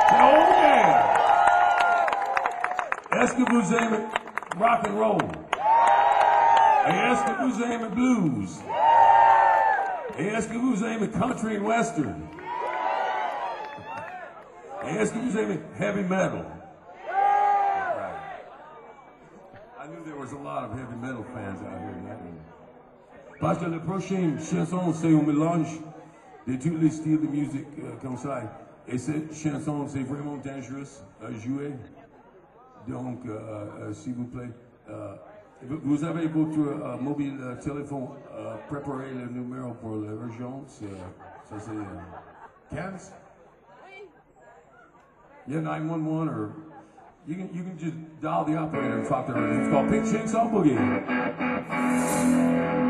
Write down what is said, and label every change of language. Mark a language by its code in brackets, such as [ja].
[en] Oh yeah! [fr] Est-ce que vous aimez rock and roll? Et est-ce que vous aimez blues? Et est-ce que vous aimez country and western? Et est-ce que vous aimez heavy metal? [en] I knew there was a lot of heavy metal fans out here in that room. [fr] Parce que la prochaine chanson, c'est un mélange de tous les styles de musique comme ça. Et cette chanson, c'est vraiment dangereux à jouer. Donc, s'il vous plaît, vous avez votre mobile téléphone, préparez le numéro pour l'urgence. Ça, c'est 15? Oui. [en] Yeah, 911, or you can just dial the operator and talk to her. It's called Pink Chainsaw Boogie. We'll be right back.